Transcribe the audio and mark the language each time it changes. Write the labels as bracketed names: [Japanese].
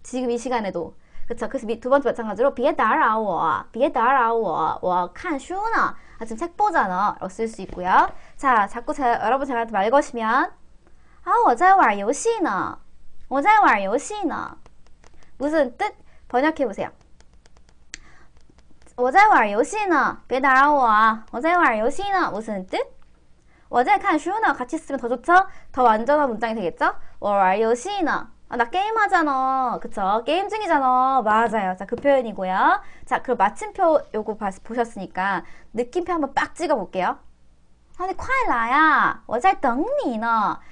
[Korean] 이 시간에도 그쵸 그래서 두 번째 마찬가지로 [Chinese] 别打扰我别打扰我我看书呢 [Korean] 아, 지금 책 보자너 라고 쓸수 있고요 자 자꾸 여러분 저한테 말 거시면 아 [Chinese] 我在玩游戏呢 我在玩游戏呢 [Korean] 무슨 뜻? 번역해 보세요. [Chinese] 我在玩游戏呢，别打扰我啊！我在玩游戏呢， [Korean] 무슨 뜻？ [Chinese] 我在看书呢， [Korean] 같이쓰면 더 좋죠? 더 완전한 문장이 되겠죠? [Chinese] 我玩游戏呢， [Korean] 아, 나 게임 하잖아. 그쵸? 게임 중이잖아. 맞아요. 자, 그 표현이고요. 자, 그럼 마침표 요거 보셨으니까 느낌표 한번 빡 찍어 볼게요. [Chinese] 아니, 快来啊! 我在等你呢.